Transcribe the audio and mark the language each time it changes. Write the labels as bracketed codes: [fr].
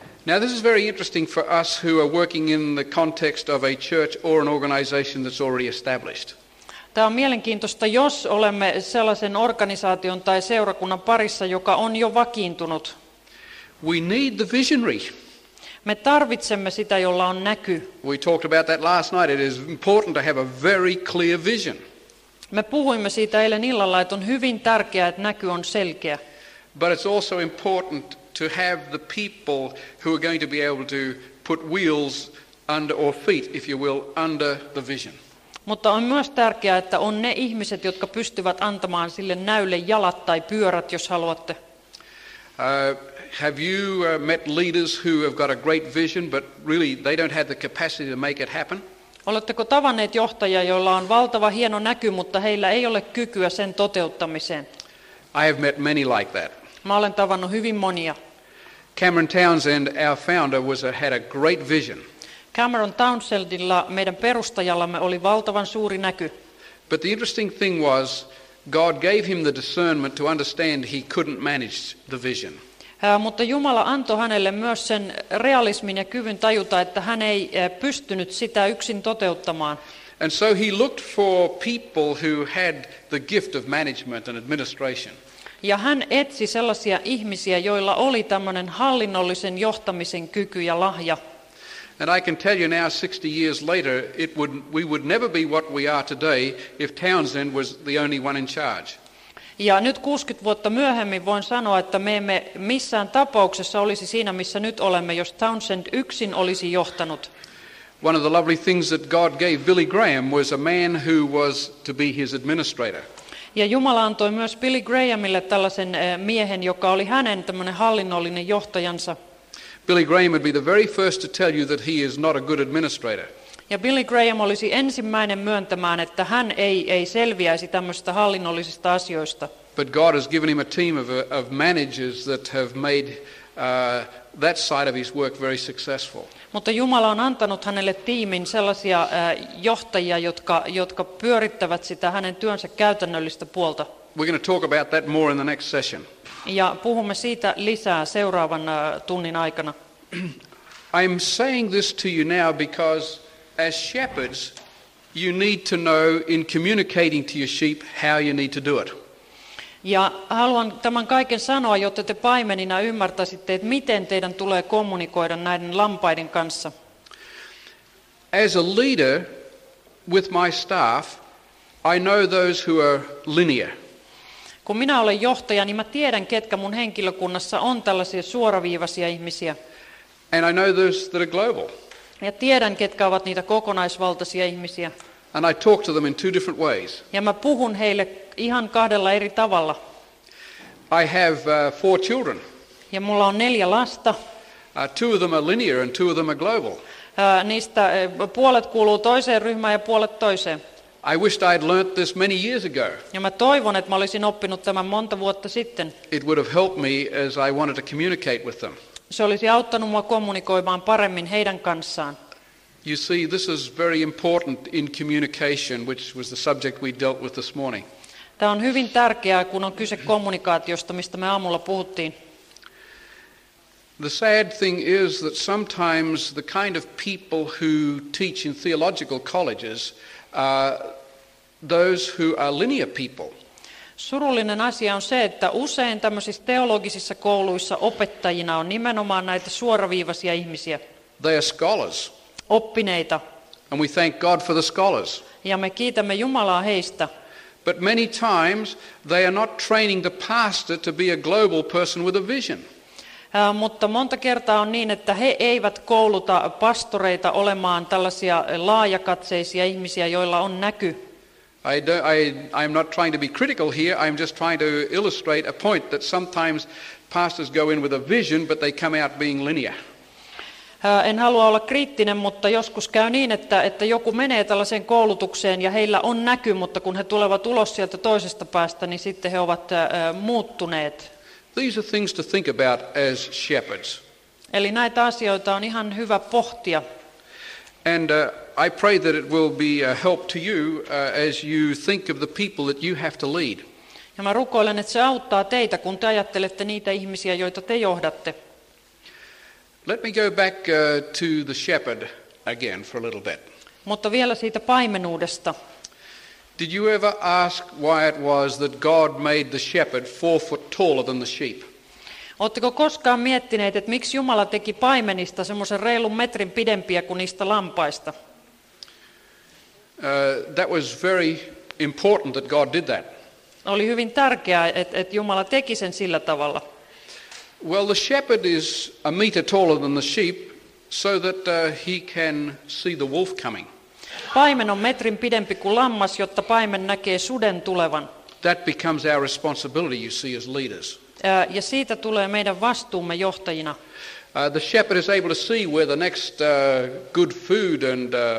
[en] Now this is very interesting for us who are working in the context of a church or an organization that's already established. [fi] Tämä on mielenkiintoista, jos olemme sellaisen organisaation tai seurakunnan parissa, joka on jo vakiintunut. [en] We need the visionary. [fi] Me tarvitsemme sitä, jolla on näky. [en] We talked about that last night. It is important to have a very clear vision. [fi] Me puhuimme siitä eilen illalla, että on hyvin tärkeää, että näky on selkeä. [en] But it's also important to have the people who are going to be able to put wheels under or feet, if you will, under the vision. [fi] Mutta on myös tärkeää, että on ne ihmiset, jotka pystyvät antamaan sille näylle jalat tai pyörät, jos haluatte. [en] Have you met leaders who have got a great vision, but really they don't have the capacity to make it happen? [fi] Oletteko tavanneet johtajia, joilla on valtava hieno näky, mutta heillä ei ole kykyä sen toteuttamiseen? [en] I have met many like that. [fi] Mä olen tavannut hyvin monia. [en] Cameron Townsend, our founder, had a great vision. [fi] Cameron Townsendilla, meidän perustajallamme, oli valtavan suuri näky. [en] But the interesting thing was, God gave him the discernment to understand he couldn't manage the vision. [fi] Mutta Jumala antoi hänelle myös sen realismin ja kyvyn tajuta, että hän ei pystynyt sitä yksin toteuttamaan. [en] And so he looked for people who had the gift of management and administration. [fi] Ja hän etsi sellaisia ihmisiä, joilla oli tämmöinen hallinnollisen johtamisen kyky ja lahja. [en] And I can tell you now, 60 years later, we would never be what we are today if Townsend was the only one in charge. [fi] Ja nyt 60 vuotta myöhemmin voin sanoa, että me emme missään tapauksessa olisi siinä, missä nyt olemme, jos Townsend yksin olisi johtanut. [en] One of the lovely things that God gave Billy Graham was a man who was to be his administrator. [fi] Ja Jumala antoi myös Billy Grahamille tällaisen miehen, joka oli hänen tämmöinen hallinnollinen johtajansa. [en] Billy Graham would be the very first to tell you that he is not a good administrator. [fi] Ja Billy Graham olisi ensimmäinen myöntämään, että hän ei selviäisi tämmöisistä hallinnollisista asioista. [en] But God has given him a team of managers that have made that side of his work very successful. [fi] Mutta Jumala on antanut hänelle tiimin sellaisia johtajia, jotka pyörittävät sitä hänen työnsä käytännöllistä puolta. [en] We're going to talk about that more in the next session. [fi] Ja puhumme siitä lisää seuraavan tunnin aikana. [en] I'm saying this to you now because as shepherds, you need to know in communicating to your sheep how you need to do it. [fi] Ja haluan tämän kaiken sanoa, jotta te paimenina ymmärtäisitte, että miten teidän tulee kommunikoida näiden lampaiden kanssa. [en] As a leader with my staff, I know those who are linear. [fi] Kun minä olen johtaja, niin mä tiedän, ketkä mun henkilökunnassa on tällaisia suoraviivaisia ihmisiä. [en] And I know those that are global. [fi] Ja tiedän, ketkä ovat niitä kokonaisvaltaisia ihmisiä. [en] And I talk to them in two different ways. [fi] Ja mä puhun heille ihan kahdella eri tavalla. [en] I have four children. [fi] Ja mulla on 4 lasta. [en] Two of them are linear and two of them are global. [fi] Niistä puolet kuuluu toiseen ryhmään ja puolet toiseen. [en] I wished I had learnt this many years ago. [fi] Ja mä toivon, että mä olisin oppinut tämän monta vuotta sitten. [en] It would have helped me as I wanted to communicate with them. [fi] Se olisi auttanut mua kommunikoimaan paremmin heidän kanssaan. [en] You see, this is very important in communication, which was the subject we dealt with this morning. [fi] Tämä on hyvin tärkeää, kun on kyse kommunikaatiosta, mistä me aamulla puhuttiin. [en] The sad thing is that sometimes the kind of people who teach in theological colleges are those who are linear people. [fi] Surullinen asia on se, että usein tämmöisissä teologisissa kouluissa opettajina on nimenomaan näitä suoraviivaisia ihmisiä. [en] They are scholars. [fi] Oppineita. [en] And we thank God for the scholars. [fi] Ja me kiitämme Jumalaa heistä. [en] But many times they are not training the pastor to be a global person with a vision. [fi] Mutta monta kertaa on niin, että he eivät kouluta pastoreita olemaan tällaisia laajakatseisia ihmisiä, joilla on näky. [en] I'm not trying to be critical here. I'm just trying to illustrate a point that sometimes pastors go in with a vision, but they come out being linear. [fi] En halua olla kriittinen, mutta joskus käy niin, että joku menee tällaiseen koulutukseen ja heillä on näky, mutta kun he tulevat ulos sieltä toisesta päästä, niin sitten he ovat muuttuneet. [en] These are things to think about as shepherds. [fi] Eli näitä asioita on ihan hyvä pohtia. [en] And I pray that it will be a help to you as you think of the people that you have to lead. [fi] Ja mä rukoilen, että se auttaa teitä, kun te ajattelette niitä ihmisiä, joita te johdatte. [en] Let me go back to the shepherd again for a little bit. [fi] Mutta vielä siitä paimenuudesta. [en] Did you ever ask why it was that God made the shepherd 4 foot taller than the sheep? [fi] Oletteko koskaan miettineet, että miksi Jumala teki paimenista semmoisen reilun metrin pidempiä kuin niistä lampaista? [en] That was very important that God did that. [fi] Oli hyvin tärkeää, että Jumala teki sen sillä tavalla. [en] Well, the shepherd is a meter taller than the sheep so that he can see the wolf coming. [fi] Paimen on metrin pidempi kuin lammas, jotta paimen näkee suden tulevan. [en] That becomes our responsibility, you see, as leaders. [fi] Ja siitä tulee meidän vastuumme johtajina. [en] The shepherd is able to see where the next good food and